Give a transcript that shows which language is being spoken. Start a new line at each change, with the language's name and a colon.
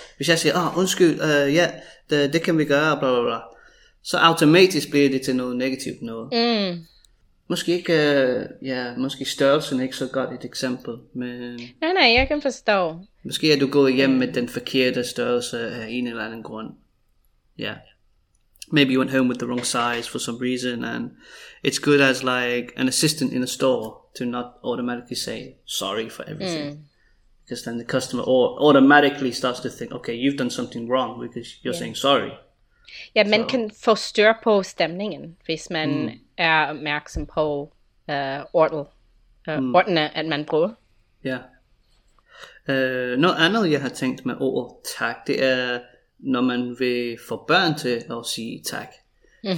Danish: Hvis jeg siger, undskyld, ja, det kan vi gøre, bla bla bla. Så automatisk bliver det til noget negativt noget. Mm. Måske ikke, måske størrelsen er ikke så godt et eksempel, men... Nej, jeg kan forstå. Måske er du gået hjem med den forkerte størrelse af en eller anden grund. Ja. Yeah.
English: Maybe you went home with the wrong size for some reason, and it's good as like an assistant in a store to not automatically say sorry for everything. Mm. Because then the customer automatically starts to think, okay, you've done something wrong because you're saying sorry.
Danish: Ja, yeah, man kan få styr på stemningen, hvis man er opmærksom på ordene, at man bruger. Ja. Noget andet, jeg har tænkt med ordet tak, det er, når man vil få børn til at sige tak. Mm-hmm.